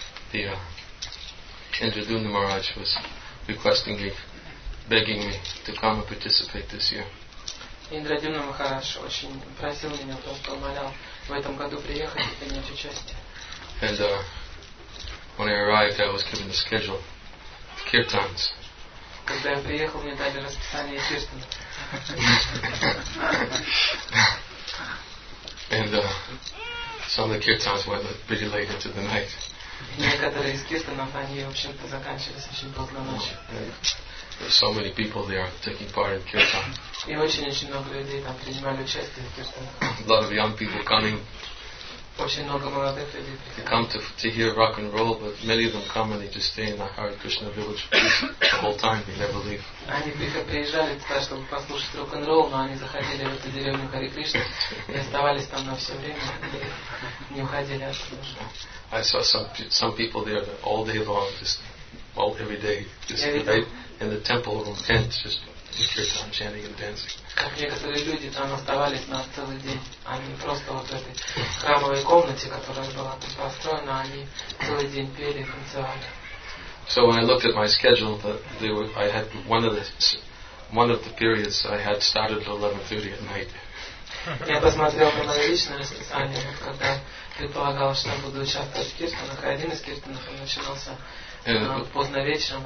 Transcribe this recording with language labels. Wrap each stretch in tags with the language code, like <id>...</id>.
<en>The Indradumna Maharaj was requesting me, begging me to come and participate this year.</en> <ru>Индрадюмна Махарадж очень просил меня, то что умолял в этом году приехать и принять участие.</ru> <en>And when I arrived, I was given the schedule. Kirtans.</en> <ru>Когда я приехал, мне дали расписание Киртана.</ru> <en>And some of the Kirtans went pretty late into the night.</en> <ru>Некоторые из Киртанов, они, в общем-то, заканчивались очень поздно ночью.</ru> <en>So many people there taking part in Kirtan.</en> <ru>И очень-очень много людей там принимали участие в Киртане.</ru> <en>A lot of young people coming.</en> <ru>Очень много молодых людей.</ru> <en>They come to hear rock and roll, but many of them come and they just stay in the Hare Krishna village the whole time. They never leave.</en> <ru>Они приезжали туда, чтобы послушать рок-н-ролл, но они заходили в эту деревню Hare Krishna и оставались там на все время и не уходили оттуда.</ru> <en>I saw some people there that all day long, just all every day, just in the temple room tent, just kirtan chanting and dancing.</en> <ru>Как некоторые люди там оставались на целый день. Они просто вот в этой храмовой комнате, которая была там построена, они целый день пели и танцевали.</ru> <en>So when I looked at my schedule, I had one of the periods I had started at 11:30 at night.</en> <ru>Я посмотрел на мое личное расписание, когда предполагал, что буду участвовать в киртанах, и один из киртанов начинался поздно вечером в</ru>